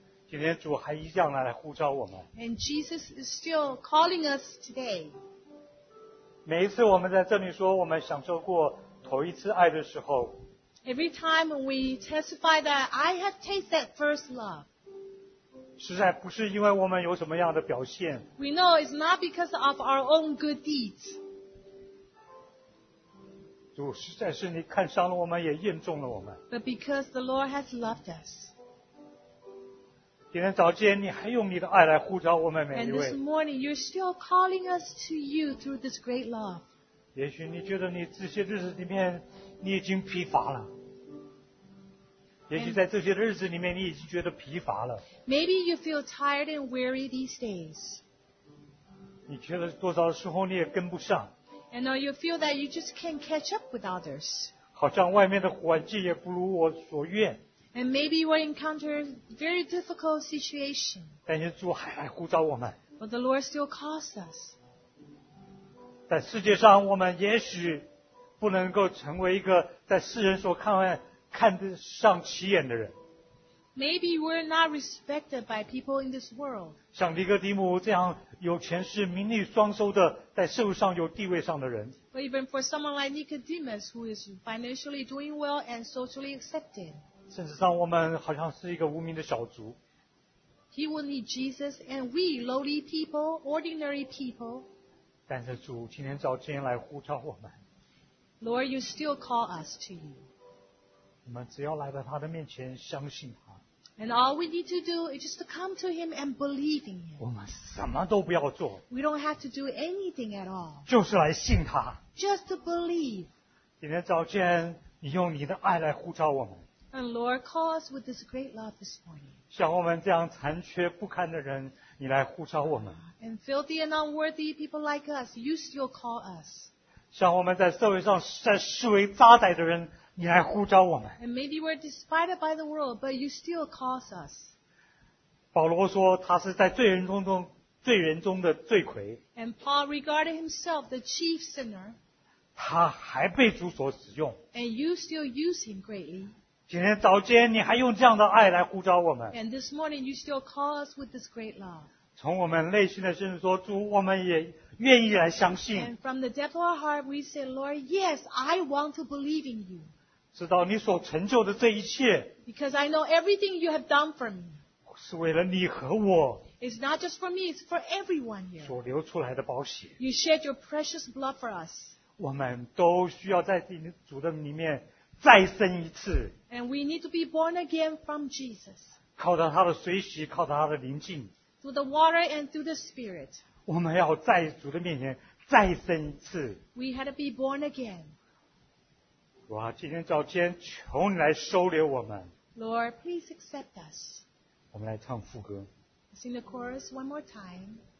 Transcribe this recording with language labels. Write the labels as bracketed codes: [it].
[zh] 今天主还一样来呼召我们。 [en] And Jesus is still calling us today. [zh] 每一次我们在这里说我们享受过头一次爱的时候。 [en] Every time we testify that I have tasted that first love. [zh] 实在不是因为我们有什么样的表现。 [en] We know it's not because of our own good deeds. [zh] 主实在是你看伤了我们，也厌中了我们。 [en] But because the Lord has loved us. [zh] 今天早间你还用你的爱来呼召我们每一位。 [en] And this morning you're still calling us to you through this great love. [zh] 也许你觉得你这些日子里面你已经疲乏了。也许在这些日子里面你已经觉得疲乏了。 [en] Maybe you feel tired and weary these days. [zh] 你觉得多少时候你也跟不上。 [en] And you feel that you just can't catch up with others. [zh] 好像外面的环境也不如我所愿。 [en] And maybe you will encounter a very difficult situation. [zh] 但是主还来呼召我们。 [en] But the Lord still calls us. [zh] 在世界上我们也许不能够成为一个在世人所看得上起眼的人。 [en] Maybe we're not respected by people in this world. [zh] 像尼哥底母这样有权势、名利双收的，在社会上有地位上的人。 [en] But even for someone like Nicodemus, who is financially doing well and socially accepted. [zh] 甚至上我们好像是一个无名的小族。 [en] He will need Jesus and we lowly people, ordinary people. [zh] 但是主今天早间来呼召我们。 [en] Lord, you still call us to you. [zh] 我们只要来到他的面前相信他。 [en] And all we need to do is just to come to him and believe in him. [zh] 我们什么都不要做。 [en] We don't have to do anything at all. [zh] 就是来信他。 [en] Just to believe. [zh] 今天早间你用你的爱来呼召我们。 [en] And Lord, call us with this great love this morning. [zh] 像我们这样残缺不堪的人，你来呼召我们。 [en] And filthy and unworthy people like us, you still call us. [zh] 像我们在社会上在视为渣滓的人，你来呼召我们。 [en] And maybe we're despised by the world, but you still call us. [zh] 保罗说他是在罪人中的罪魁。 [en] And Paul regarded himself the chief sinner. [zh] 他还被主所使用。 [en] And you still use him greatly. [zh] 今天早间你还用这样的爱来呼召我们。 [en] And this morning you still call us with this great love. [zh] 从我们内心的深处说，主，我们也愿意来相信。 [en] And from the depth of our heart we say, Lord, yes, I want to believe in you. [zh] 知道你所成就的这一切。 [en] Because I know everything you have done for me. [zh] 是为了你和我。 [en] It's not just for me, it's for everyone here. [zh] 所流出来的宝血。 [en] You shed your precious blood for us. [zh] 我们都需要在主的里面再生一次。 [en] And we need to be born again from Jesus. [zh] 靠着他的水洗，靠着他的灵浸。 [en] Through the water and through the Spirit. [zh] 我们要在主的面前再生一次。 [en] We had to be born again. [zh] 主啊，今天早间求你来收留我们。 [en] Lord, please accept us. [zh] 我们来唱副歌。 [en] Sing the chorus one more time.